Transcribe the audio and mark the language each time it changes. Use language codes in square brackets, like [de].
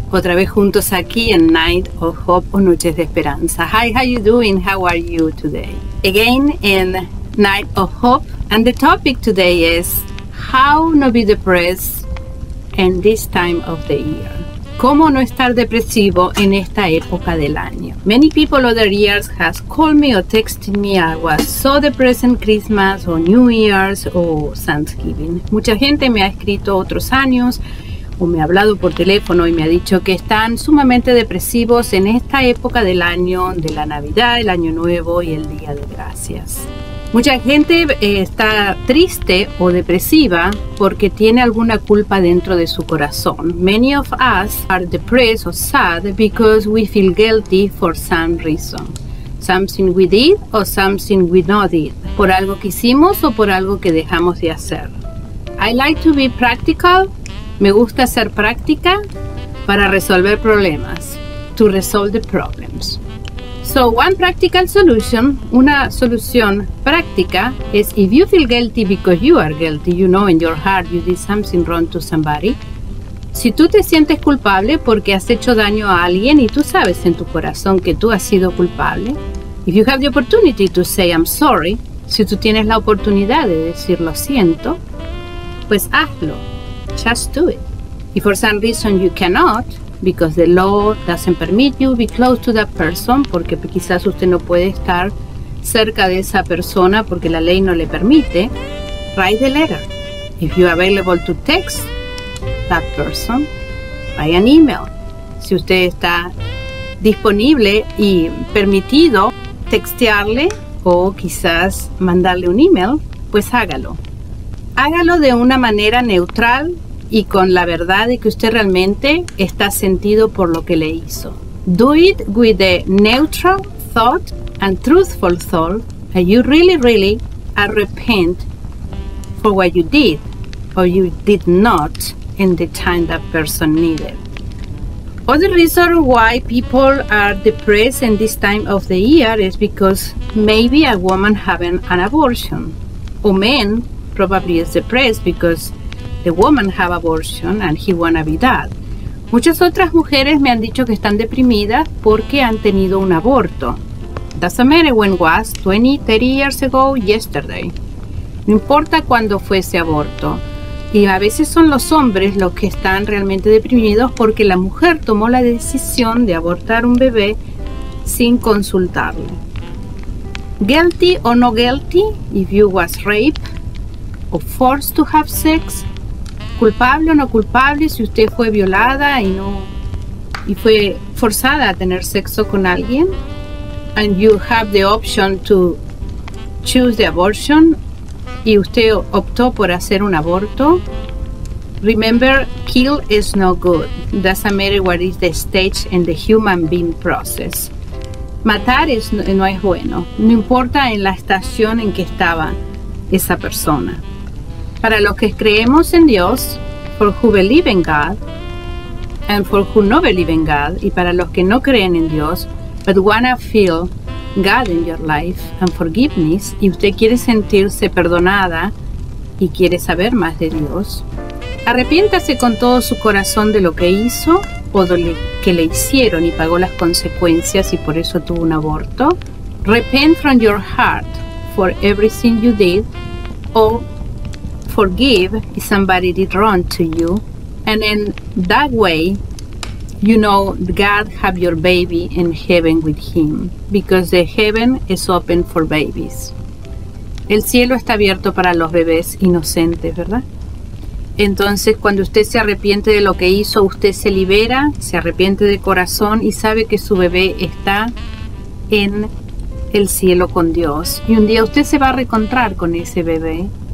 [es] Otra vez juntos aquí en Night of Hope o Noches de Esperanza. [en] Hi, how you doing? How are you today? Again in Night of Hope, and the topic today is how not be depressed in this time of the year. [es] ¿Cómo no estar depresivo en esta época del año? [en] Many people over the years has called me or texted me I was so depressed in Christmas or New Year's or Thanksgiving. [es] Mucha gente me ha escrito otros años o me ha hablado por teléfono y me ha dicho que están sumamente depresivos en esta época del año, de la Navidad, el Año Nuevo y el Día de Gracias. Mucha gente está triste o depresiva porque tiene alguna culpa dentro de su corazón. [en] Many of us are depressed or sad because we feel guilty for some reason. Something we did or something we not did. [es] Por algo que hicimos o por algo que dejamos de hacer. [en] I like to be practical. [es] Me gusta ser práctica para resolver problemas. [en] To resolve the problems. So one practical solution, [es] una solución práctica, [en] is if you feel guilty because you are guilty, you know in your heart you did something wrong to somebody. [es] Si tú te sientes culpable porque has hecho daño a alguien y tú sabes en tu corazón que tú has sido culpable, [en] if you have the opportunity to say I'm sorry, [es] si tú tienes la oportunidad de decir lo siento, pues hazlo. [en] Just do it. If for some reason you cannot, because the law doesn't permit you to be close to that person, [es] porque quizás usted no puede estar cerca de esa persona porque la ley no le permite, [en] write the letter. If you're available to text that person, write an email. [es] Si usted está disponible y permitido textearle o quizás mandarle un email, pues hágalo. Hágalo de una manera neutral y con la verdad de que usted realmente está sentido por lo que le hizo. [en] Do it with a neutral thought and truthful thought that you really, really repent for what you did or you did not in the time that person needed. Other reason why people are depressed in this time of the year is because maybe a woman having an abortion. A man probably is depressed because the woman have abortion and he wanna be dad. [es] Muchas otras mujeres me han dicho que están deprimidas porque han tenido un aborto. [en] Doesn't matter when it was 20, 30 years ago, yesterday. [es] No importa cuándo fue ese aborto. Y a veces son los hombres los que están realmente deprimidos porque la mujer tomó la decisión de abortar un bebé sin consultarlo. [en] Guilty or no guilty, if you was raped or forced to have sex. [es] Culpable o no culpable, si usted fue violada y no y fue forzada a tener sexo con alguien, [en] and you have the option to choose the abortion, [es] y usted optó por hacer un aborto, [en] remember, kill is no good. Doesn't matter what is the stage in the human being process. [es] Matar es, no es bueno, no importa en la estación en que estaba esa persona. Para los que creemos en Dios, [en] for who believe in God, [es] and for who no believe in God, y para los que no creen en Dios, [en] but wanna feel God in your life and forgiveness, [es] y usted quiere sentirse perdonada y quiere saber más de Dios, arrepiéntase con todo su corazón de lo que hizo o de lo que le hicieron y pagó las consecuencias y por eso tuvo un aborto. [en] Repent from your heart for everything you did, or forgive if somebody did wrong to you, and in that way you know God have your baby in heaven with him, because the heaven is open for babies. [es] El cielo está abierto para los bebés inocentes, ¿verdad? Entonces cuando usted se arrepiente de lo que hizo, usted se libera, se arrepiente de corazón y sabe que su bebé está en el cielo con Dios, y un día usted se va a reencontrar con ese bebé.